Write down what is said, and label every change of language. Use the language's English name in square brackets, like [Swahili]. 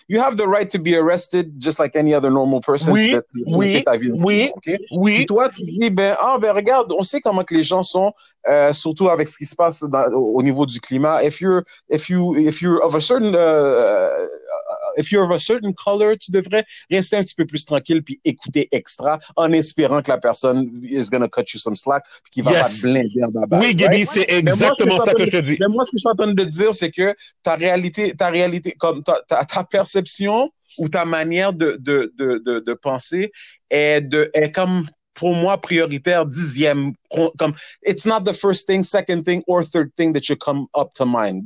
[English] You have the right to be arrested just like any other normal person. [French] Oui. Oui. Toi, tu dis, ben, regarde, on sait comment que les gens sont, surtout avec ce qui se passe au niveau du climat. [English] If you're of a certain color, [French] tu devrais rester un petit peu plus tranquille puis écouter extra en espérant que la personne [English] is going to cut you some slack [French] puis qu'il va pas te blinder dans la base. Oui, Gibby, right? C'est exactement moi, ce que ça que je te dis. Mais moi, ce que je suis en train de dire, c'est que ta réalité, comme ta perception ou ta manière de penser est comme, pour moi, prioritaire, dixième. [English] Comme, it's not the first thing, second thing or third thing that you come up to mind.